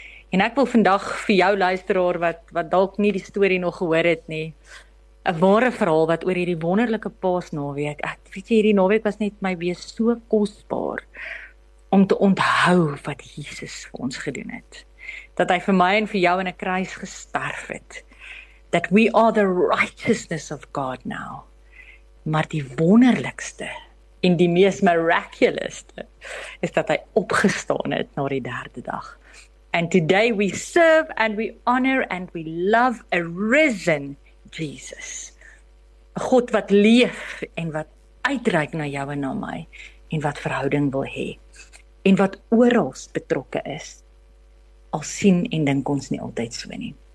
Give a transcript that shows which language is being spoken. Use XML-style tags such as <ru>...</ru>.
<af>En ek wil vandag vir jou luisteraar, wat dalk nie die story nog gehoor het nie, 'n ware verhaal wat oor hierdie wonderlike paasnaweek, ek weet jy, hierdie naweek was net my wees so kosbaar om te onthou wat Jesus vir ons gedoen het. Dat hy vir my en vir jou in 'n kruis gesterf het.</af> <en>That we are the righteousness of God now.</en> <af>Maar die wonderlikste en die mees miraculouste is dat hy opgestaan het na die derde dag. And today we serve and we honor and we love a risen Jesus, God wat leef en wat uitreik na jou en na my en wat verhouding wil hê en wat oral betrokke is, al sien en dink ons nie altyd so nie.</af>